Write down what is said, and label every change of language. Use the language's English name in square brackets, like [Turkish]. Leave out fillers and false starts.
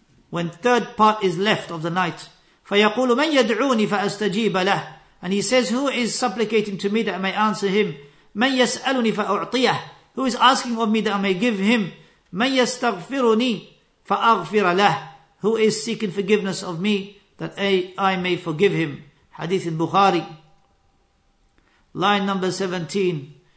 [English] When third part is left of the night. [Arabic] فيقول من يدعوني فأستجيب له. [English] And he says, who is supplicating to me that I may answer him? [Arabic] من يسألني فأعطيه. [English] Who is asking of me that I may give him? [Arabic] من يستغفرني فأغفر له. [English] Who is seeking forgiveness of me, that I may forgive him. Hadith in Bukhari. Line number 17.